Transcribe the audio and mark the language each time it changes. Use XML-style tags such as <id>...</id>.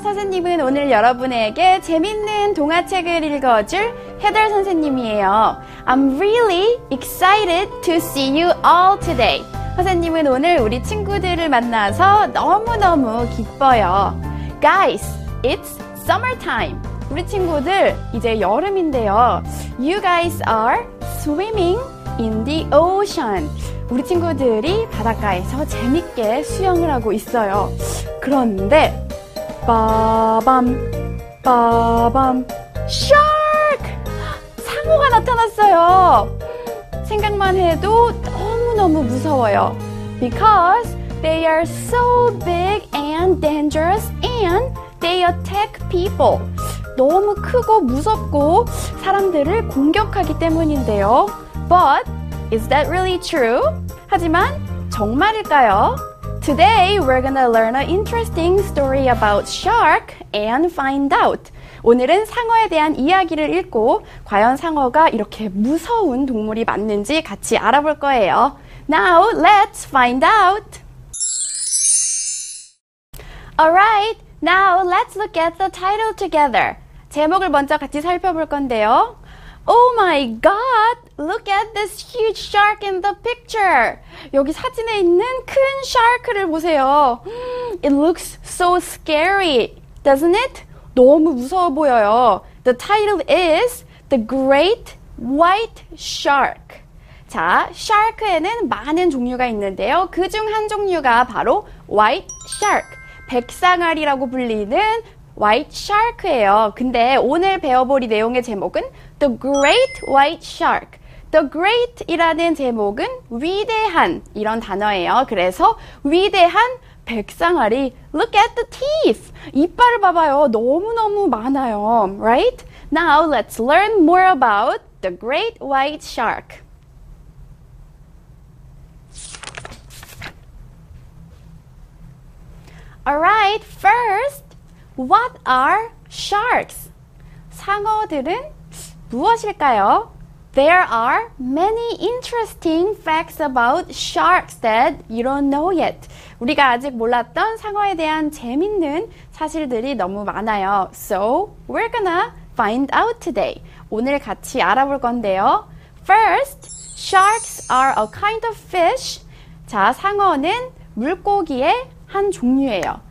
<ko>선생님은 오늘 여러분에게 재밌는 동화책을 읽어줄 헤덜 선생님이에요.</ko> <en>I'm really excited to see you all today.</en> <ko>선생님은 오늘 우리 친구들을 만나서 너무너무 기뻐요.</ko> <en>Guys, it's summertime.</en> <ko>우리 친구들, 이제 여름인데요.</ko> <en>You guys are swimming in the ocean.</en> <ko>우리 친구들이 바닷가에서 재밌게 수영을 하고 있어요. 그런데 빠밤 빠밤 shark! 상어가 나타났어요. 생각만 해도 너무너무 무서워요.</ko> <en>Because they are so big and dangerous and they attack people.</en> <ko>너무 크고 무섭고 사람들을 공격하기 때문인데요.</ko> <en>But is that really true?</en> <ko>하지만 정말일까요?</ko> <en>Today we're gonna learn an interesting story about shark and find out.</en> <ko>오늘은 상어에 대한 이야기를 읽고 과연 상어가 이렇게 무서운 동물이 맞는지 같이 알아볼 거예요.</ko> <en>Now let's find out. Alright, now let's look at the title together.</en> <ko>제목을 먼저 같이 살펴볼 건데요.</ko> <en>Oh my god! Look at this huge shark in the picture!</en> <ko>여기 사진에 있는 큰 샤크를 보세요.</ko> <en>It looks so scary, doesn't it?</en> <ko>너무 무서워 보여요.</ko> <en>The title is The Great White Shark.</en> <ko>자, 샤크에는 많은 종류가 있는데요. 그중 한 종류가 바로 White Shark, 백상아리라고 불리는 White Shark예요. 근데 오늘 배워볼 이 내용의 제목은 The Great White Shark. The Great이라는 제목은 위대한 이런 단어예요. 그래서 위대한 백상아리.</ko> <en>Look at the teeth.</en> <ko>이빨을 봐봐요. 너무너무 많아요.</ko> <en>Right? Now let's learn more about the Great White Shark. Alright, first, what are sharks?</en> <ko>상어들은 무엇일까요?</ko> <en>There are many interesting facts about sharks that you don't know yet.</en> <ko>우리가 아직 몰랐던 상어에 대한 재밌는 사실들이 너무 많아요.</ko> <en>So, we're gonna find out today.</en> <ko>오늘 같이 알아볼 건데요.</ko> <en>First, sharks are a kind of fish.</en> <ko>자, 상어는 물고기의 한 종류예요.</ko>